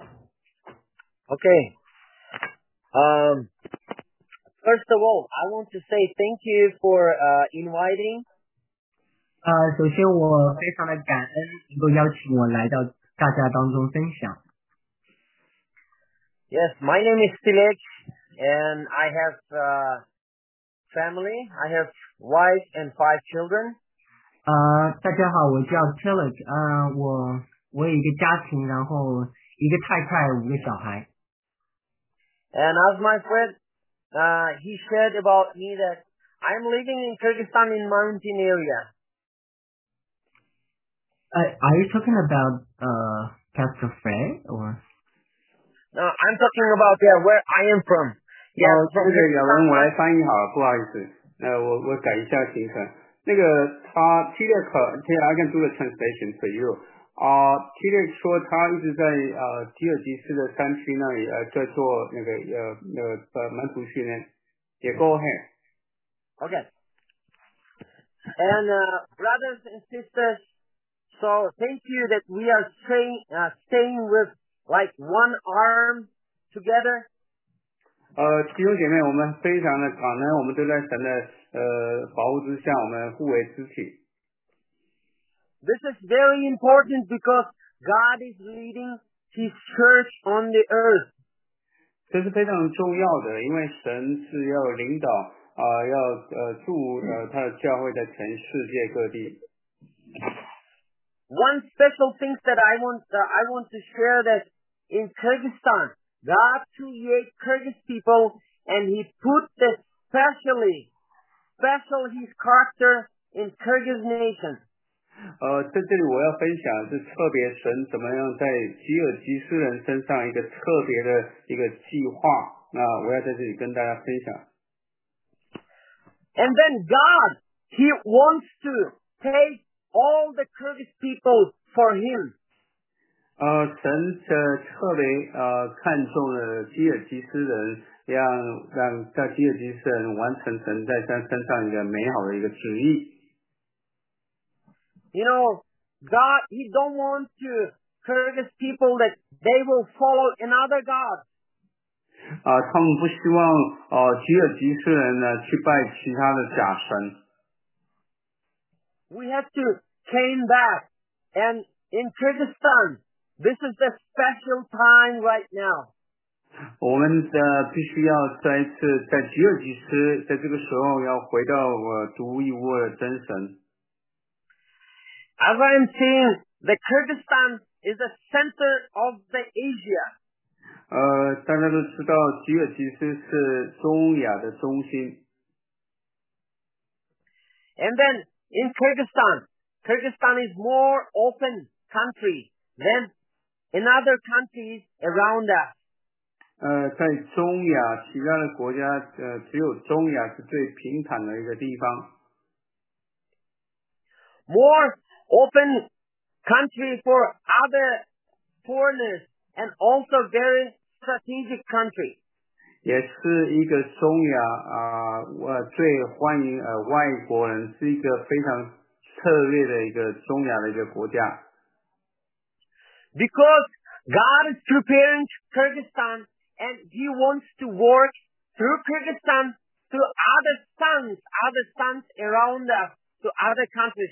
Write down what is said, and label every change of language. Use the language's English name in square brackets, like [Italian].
[English] Okay. First of all, I want to say thank you for inviting. [Chinese] 首先我非常的感恩能够邀请我来到大家当中分享。 [English] Yes, my name is Tillis, and I have family. I have wife and 5 children. [Chinese] 大家好，我叫 Tillis. 我有一个家庭，然后一个太太，五个小孩。 [English] And as my friend, he shared about me that I'm living in Kyrgyzstan in mountain area. Are you talking about Pastor Fred or? No, I'm talking about where I am from. [Chinese] Yeah, 那个亚文，我来翻译好了，不好意思，我改一下行程。那个他 [English] Tillis, I can do the translation for you. [Chinese] Tillis 说他一直在吉尔吉斯的山区那里在做那个蛮族训练。 [English] Yeah, go ahead. Okay. And brothers and sisters, so thank you that we are staying with like one arm together. [Chinese] 弟兄姐妹，我们非常的感恩，我们都在神的保护之下，我们互为肢体。 [English] This is very important because God is leading His church on the earth. [Chinese] 这是非常重要的，因为神是要领导要住他的教会在全世界各地。 [English] One special thing that I want to share that in Kyrgyzstan, God created Kyrgyz people and He put the special His character in Kyrgyz nation. [Chinese] 在这里我要分享是特别神怎么样在吉尔吉斯人身上一个特别的一个计划。那我要在这里跟大家分享。 [English] And then God, He wants to take all the Kyrgyz people for Him. [Chinese] 神特别看重了吉尔吉斯人，让在吉尔吉斯人完成神在他身上一个美好的一个旨意。 [English] You know, God, He don't want to Kyrgyz people that they will follow another God. [Chinese] 他们不希望吉尔吉斯人呢去拜其他的假神。 [English] We have to came back, and in Kyrgyzstan, this is a special time right now. [Chinese] 我们必须要再次在吉尔吉斯，在这个时候要回到独一无二的真神。 [English] As I am seeing, the Kyrgyzstan is the center of the Asia. [Chinese] 大家都知道吉尔吉斯是中亚的中心。 [English] And then in Kyrgyzstan is more open country than in other countries around us. [Chinese] 在中亚其他的国家只有中亚是最平坦的一个地方。 [English] More open country for other foreigners and also very strategic country. [Chinese] 也是一个中亚最欢迎外国人，是一个非常特别的一个中亚的一个国家。 [English] Because God is preparing Kyrgyzstan and He wants to work through Kyrgyzstan to other sons around us, to other countries.